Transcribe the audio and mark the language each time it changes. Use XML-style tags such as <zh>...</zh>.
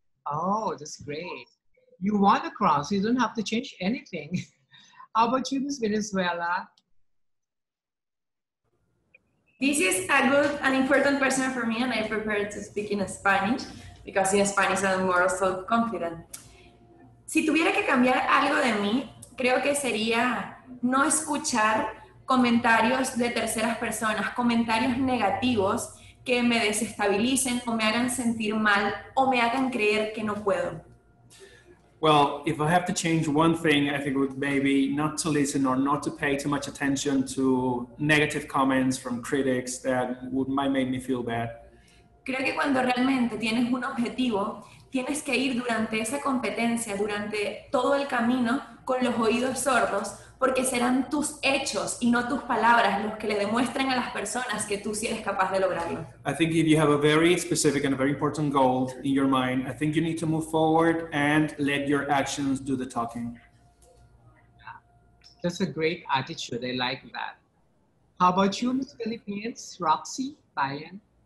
<en>Oh, that's great. You want a cross. You don't have to change anything. How about you, Miss Venezuela? This is a good and important person for me, and I prefer to speak in Spanish because in Spanish I'm more self-confident.</en> <es>Si tuviera que cambiar algo de mí, creo que sería no escuchar comentarios de terceras personas, comentarios negativos que me desestabilicen o me hagan sentir mal o me hagan creer que no puedo.</es> <en>Well, if I have to change one thing, I think it would maybe not to listen or not to pay too much attention to negative comments from critics that might make me feel bad.</en> <es>Creo que cuando realmente tienes un objetivo, tienes que ir durante esa competencia, durante todo el camino, con los oídos sordos, porque serán tus hechos y no tus palabras los que le demuestren a las personas que tú sí eres capaz de lograrlo.</es> <en>I think if you have a very specific and a very important goal in your mind, I think you need to move forward and let your actions do the talking. That's a great attitude. I like that. How about you, Miss Philippines? Roxy, Bayan?</en>